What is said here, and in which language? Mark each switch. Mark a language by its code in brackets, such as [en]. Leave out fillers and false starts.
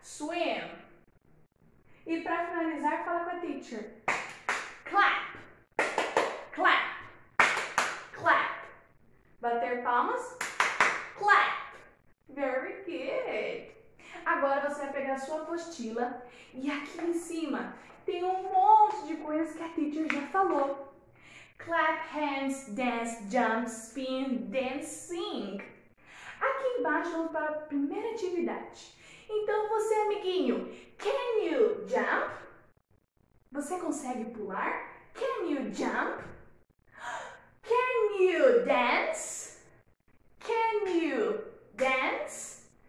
[pt] Swim. E para finalizar, fala com a teacher. Clap. Clap. Clap. Bater palmas. Clap. [en] Very good. [pt] Agora você vai pegar a sua apostila e aqui em cima tem um monte de coisas que a teacher já falou. [en] Clap hands, dance, jump, spin, dance, sing. [pt] Aqui embaixo vamos para a primeira atividade. Então, você, amiguinho, [en] can you jump? [pt] Você consegue pular? [en] Can you jump? Can you dance? Can you dance?